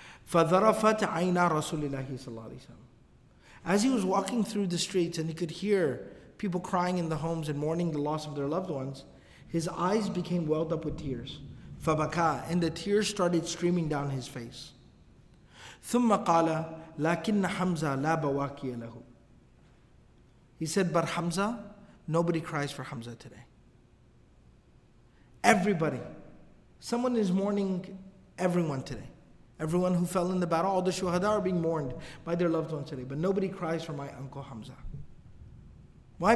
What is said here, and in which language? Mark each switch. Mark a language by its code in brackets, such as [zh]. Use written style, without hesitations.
[ar] فَذَرَفَتْ عَيْنَا رَسُولِ اللَّهِ صَلَّى اللَّهِ عَلَيْهِ وَسَلَّمَ. [en] As he was walking through the streets and he could hear people crying in the homes and mourning the loss of their loved ones, his eyes became welled up with tears. فَبَكَى, and the tears started streaming down his face. [ar] ثم قال لكن حمزة لا بواكي له. [en] He said, but Hamza, nobody cries for Hamza today. Everybody, someone is mourning everyone today. Everyone who fell in the battle, all the shuhada are being mourned by their loved ones today. But nobody cries for my uncle Hamza. Why?